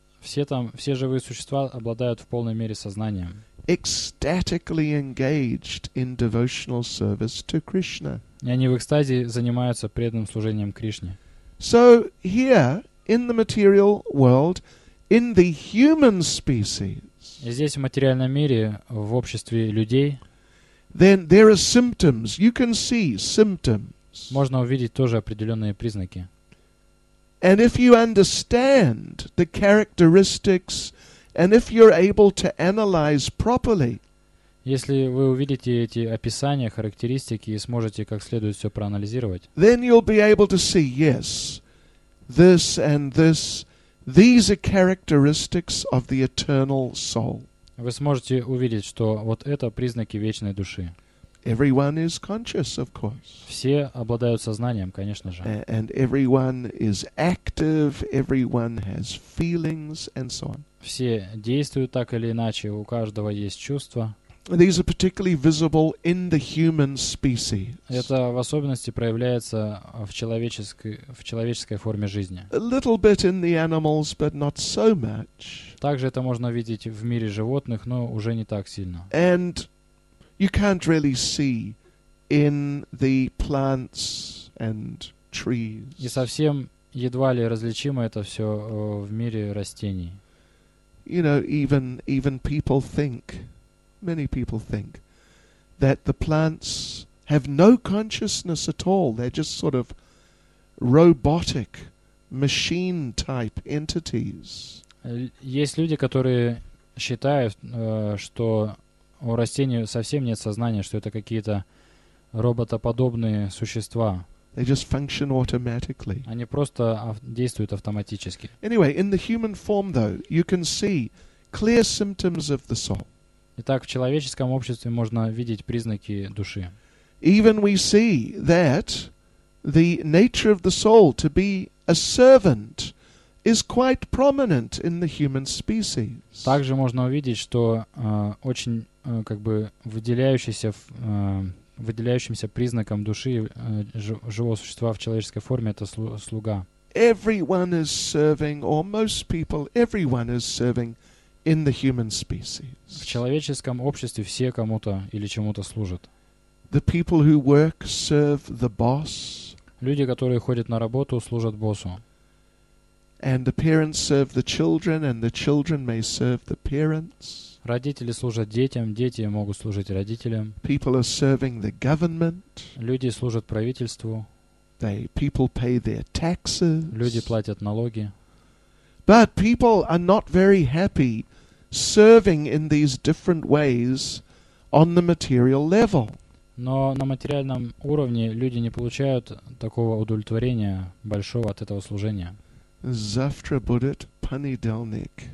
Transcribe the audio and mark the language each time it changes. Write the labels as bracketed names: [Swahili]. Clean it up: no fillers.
[Russian] Все там, все живые существа обладают в полной мере сознанием. [English] Ecstatically engaged in devotional service to Krishna. [Russian] И они в экстазе занимаются преданным служением Кришне. [English] So here in the material world, in the human species. [Russian] И здесь в материальном мире, в обществе людей. [English] Then there are symptoms. You can see symptoms. [Russian] Можно увидеть тоже определенные признаки. [English] And if you understand the characteristics, and if you're able to analyze properly. [Russian] Если вы увидите эти описания, характеристики и сможете как следует все проанализировать, [English] then you'll be able to see, yes, this and this, these are characteristics of the eternal soul. [Russian] Вы сможете увидеть, что вот это признаки вечной души. [English] Everyone is conscious, of course. [Russian] Все обладают сознанием, конечно же. [English] And everyone is active, everyone has feelings and so on. [Russian] Все действуют так или иначе, у каждого есть чувства. [English] These are particularly visible in the human species. [Russian] Это в особенности проявляется в человеческой форме жизни. [English] A little bit in the animals, but not so much. [Russian] Также это можно видеть в мире животных, но уже не так сильно. [English] And you can't really see in the plants and trees. [Russian] И совсем едва ли различимо это все в мире растений. [English] You know, even people think. Many people think that the plants have no consciousness at all. They're just sort of robotic, machine-type entities. [Russian] Есть люди, которые считают, что у растений совсем нет сознания, что это какие-то роботоподобные существа. [English] They just function automatically. [Russian] Они просто действуют автоматически. [English] Anyway, in the human form, though, you can see clear symptoms of the soul. [Russian] Итак, в человеческом обществе можно видеть признаки души. [English] Even we see that the nature of the soul to be a servant is quite prominent in the human species. [Russian] Также можно увидеть, что выделяющимся признаком души живого существа в человеческой форме это слуга. [English] Everyone is serving, or most people, everyone is serving. In the human species. [Russian] В человеческом обществе все кому-то или чему-то служат. [English] The people who work serve the boss. [Russian] Люди, которые ходят на работу, служат боссу. [English] And the parents serve the children, and the children may serve the parents. [Russian] Родители служат детям, дети могут служить родителям. [English] People are serving the government. [Russian] Люди служат правительству. [English] People pay their taxes. [Russian] Люди платят налоги. [English] But people are not very happy serving in these different ways on the material level. [Russian] Но на материальном уровне люди не получают такого удовлетворения большого от этого служения. Завтра будет понедельник.